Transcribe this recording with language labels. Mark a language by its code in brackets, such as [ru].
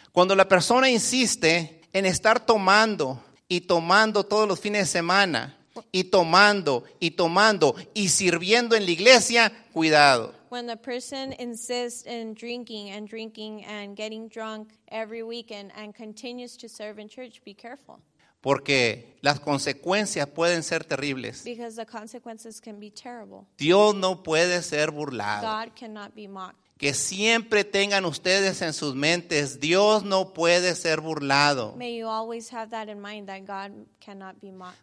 [es] Cuando la persona insiste en estar tomando y tomando todos los fines de semana y tomando y sirviendo en la iglesia, cuidado. [en] When the person insists in drinking and getting drunk every weekend and continues to serve in church, be careful. [es] Porque las consecuencias pueden ser terribles. [en] Because the consequences can be terrible. [es] Dios no puede ser burlado. [en] God cannot be mocked. [es] Que siempre tengan ustedes en sus mentes, Dios no puede ser burlado. [en] May you always have that in mind, that God cannot be mocked.